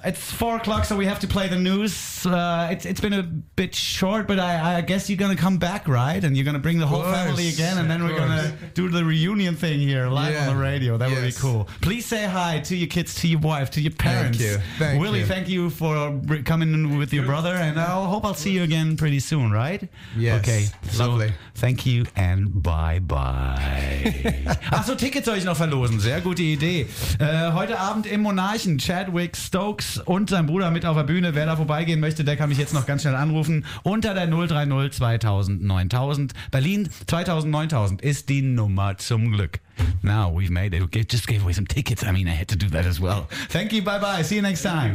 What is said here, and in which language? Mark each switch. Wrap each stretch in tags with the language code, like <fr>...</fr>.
<en>It's 4 o'clock, so we have to play the news. It's been a bit short, but I guess you're gonna come back, right? And you're gonna bring the whole family again. And then we're going to do the reunion thing here live on the radio. That would be cool. Please say hi to your kids, to your wife, to your parents. Thank you. Willie, thank you for coming in with your brother. And I hope I'll see you again pretty soon, right? Yes. Okay. So lovely. Thank you and bye-bye.</en> <de>Achso, Tickets soll ich noch verlosen. Sehr gute Idee. Heute Abend im Monarchen, Chadwick Stokes und sein Bruder mit auf der Bühne. Wer da vorbeigehen möchte, der kann mich jetzt noch ganz schnell anrufen. Unter der 030 2000 9000. Berlin 2000 9000 ist die Nummer zum Glück.</de> <en>Now we've made it. We just gave away some tickets. I mean, I had to do that as well. Thank you. Bye-bye. See you next time.</en>